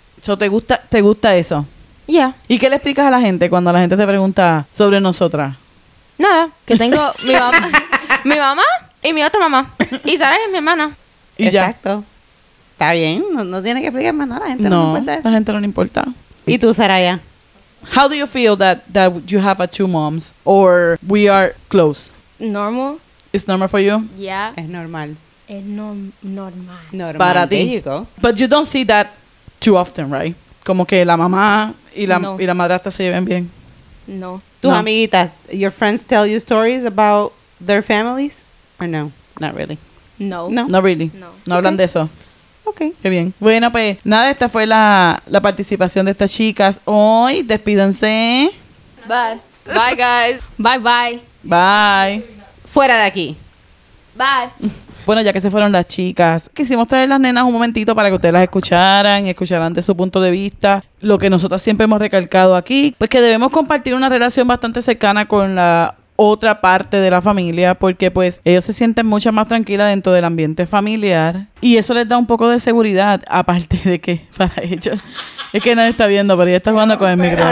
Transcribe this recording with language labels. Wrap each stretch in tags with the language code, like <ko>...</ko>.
<es>So, ¿te gusta eso?</es> <en>Yeah.</en> <es>¿Y qué le explicas a la gente cuando la gente te pregunta sobre nosotras? Nada, que tengo mi mamá, mi mamá y mi otra mamá. Y Sara es mi hermana. Y exacto. Ya. Está bien, no tiene que explicar más nada, la gente no le importa eso. La gente no le importa. ¿Y tú, Saraya?</es> <en>How do you feel that you have a two moms or we are close? Normal. It's normal for you? Yeah.</en> <es>Es normal. Es normal.</es> <en>Normal.</en> <es>Para ti.</es> <en>There you go. But you don't see that too often, right?</en> <es>Como que la mamá y la madrastra se lleven bien. No. Tus amiguitas,</es> <en>your friends tell you stories about their families? Or no? Not really. No. No. Not really. No.</en> <es>No hablan de eso. Okay. Qué bien. Bueno, pues nada, esta fue la participación de estas chicas hoy. Despídense.</es> <en>Bye. Bye, guys. Bye, bye. Bye.</en> <es>Fuera de aquí.</es> <en>Bye.</en> <es>Bueno, ya que se fueron las chicas, quisimos traer las nenas un momentito para que ustedes las escucharan y escucharan de su punto de vista lo que nosotras siempre hemos recalcado aquí, pues que debemos compartir una relación bastante cercana con la otra parte de la familia, porque pues ellos se sienten mucho más tranquilas dentro del ambiente familiar y eso les da un poco de seguridad, aparte de que para ellos, es que nadie está viendo, pero ella está jugando con el micrófono.</es>